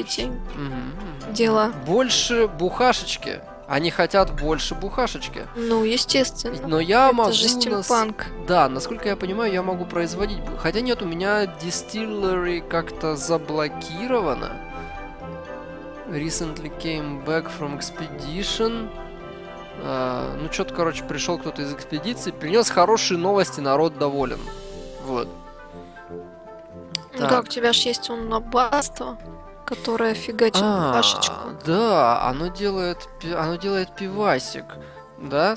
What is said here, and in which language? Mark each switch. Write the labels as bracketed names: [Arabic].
[Russian] Эти дела. Больше бухашечки. Они хотят больше бухашечки. Ну, естественно. Но я это могу... Это же стимпанк. Да, насколько я понимаю, я могу производить... Хотя нет, у меня дистиллери как-то заблокировано. [English] Recently came back from expedition. [Russian] Ну, что-то, короче, пришел кто-то из экспедиции, принес хорошие новости, народ доволен. Вот. Так. Да, у тебя же есть он на басту, которая фигачит пашечку. Да, оно делает пивасик. Да?